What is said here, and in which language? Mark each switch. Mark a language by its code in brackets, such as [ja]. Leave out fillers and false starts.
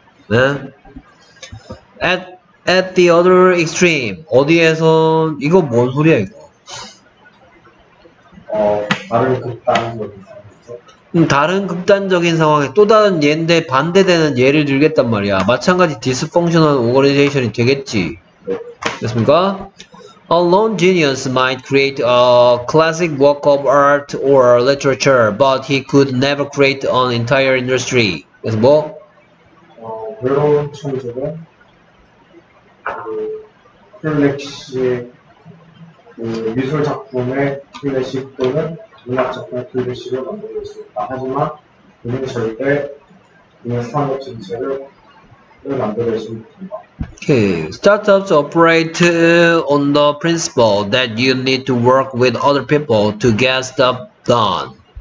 [en] 네? At the other extreme. [ko] 어디에서 이거 뭔 소리야 이거? 다른 극단적인 상황. 다른 극단적인 상황에 또 다른 예인데 반대되는 예를 들겠단 말이야. 마찬가지 dysfunctional organization이 되겠지. 됐습니까? [en] A lone genius might create a classic work of art or literature, but he could never create an entire industry. [ko] 그래서 뭐? 외로운 천재는 클래식 미술 작품의 클래식 또는 문학 작품의 클래식을 만들 수 있다. 하지만 그는 절대 그의 산업 전체를 만들 수 없다. [en] Okay, startups operate on the principle that you need to work with other people to get stuff done.